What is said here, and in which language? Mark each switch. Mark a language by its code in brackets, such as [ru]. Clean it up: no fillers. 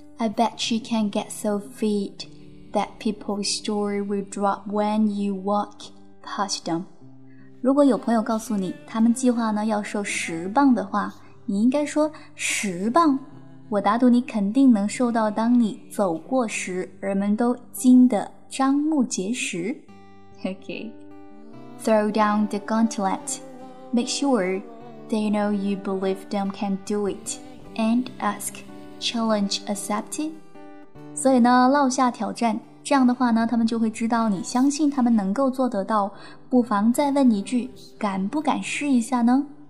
[en] I bet you can get so fit that people's story will drop when you walk past them. [zh] 如果有朋友告诉你他们计划呢要瘦十磅的话，你应该说十磅。我打赌你肯定能瘦到当你走过时，人们都惊得张目结舌。 [en] Okay. Throw down the gauntlet. Make sure they know you believe them can do it. And ask, challenge accepted? [zh] 所以呢，落下挑战，这样的话呢，他们就会知道你相信他们能够做得到。不妨再问一句，敢不敢试一下呢？